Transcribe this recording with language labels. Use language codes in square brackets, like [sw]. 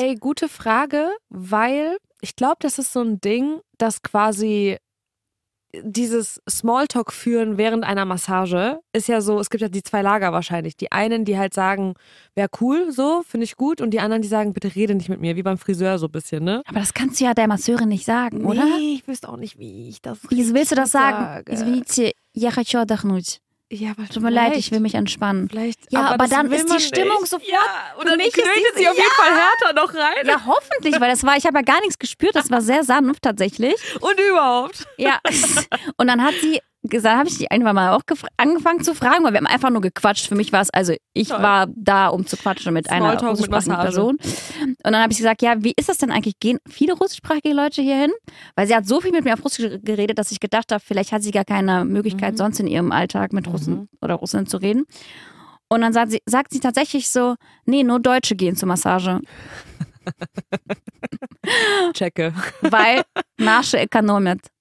[de] Ey, gute Frage, weil ich glaube, das ist so ein Ding, dass quasi dieses Smalltalk führen während einer Massage ist ja so, es gibt ja die zwei Lager wahrscheinlich. Die einen, die halt sagen, wäre cool, so, finde ich gut. Und die anderen, die sagen, bitte rede nicht mit mir, wie beim Friseur so ein bisschen, ne? Aber das kannst du ja der Masseurin nicht sagen, nee, oder? Nee, ich wüsste auch nicht, wie ich das sage. Wieso willst du das sagen? [ru] Извините, я хочу отдохнуть. [de] Ja, aber tut mir leid, ich will mich entspannen. Vielleicht. Ja, aber dann ist die Stimmung sofort. Ja, und dann knötet sie auf jeden Fall härter noch rein. Ja, hoffentlich, weil ich habe ja gar nichts gespürt. Das war sehr sanft tatsächlich. Und überhaupt. Ja. Und dann hat sie gesagt, habe ich die einfach mal auch angefangen zu fragen, weil wir haben einfach nur gequatscht. Für mich war es, also ich war da, um zu quatschen mit einer russischsprachigen Person. Und dann habe ich gesagt, ja, wie ist das denn eigentlich? Gehen viele russischsprachige Leute hier hin? Weil sie hat so viel mit mir auf Russisch geredet, dass ich gedacht habe, vielleicht hat sie gar keine Möglichkeit, sonst in ihrem Alltag mit Russen oder Russinnen zu reden. Und dann sagt sie tatsächlich so, nee, nur Deutsche gehen zur Massage. Checke. Weil [ru] наши экономят.